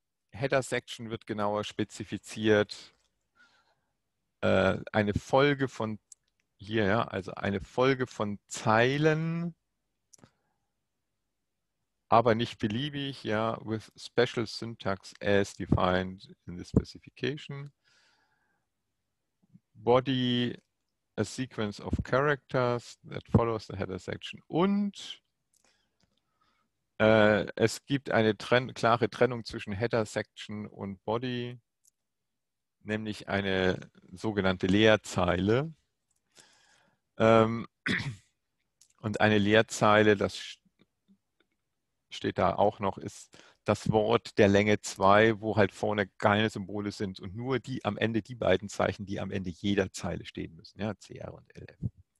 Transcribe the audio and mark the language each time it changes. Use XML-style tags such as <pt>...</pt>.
<de>Header-Section wird genauer spezifiziert. Eine Folge von hier, ja, also eine Folge von Zeilen, aber nicht beliebig, ja,</de> <en>with special syntax as defined in the specification. Body, a sequence of characters that follows the header section.</en> <de>Und es gibt eine klare Trennung zwischen header section und body, nämlich eine sogenannte Leerzeile. Und eine Leerzeile, das steht da auch noch, ist das Wort der Länge 2, wo halt vorne keine Symbole sind und nur die am Ende, die beiden Zeichen, die am Ende jeder Zeile stehen müssen, ja, CR und LF.</de>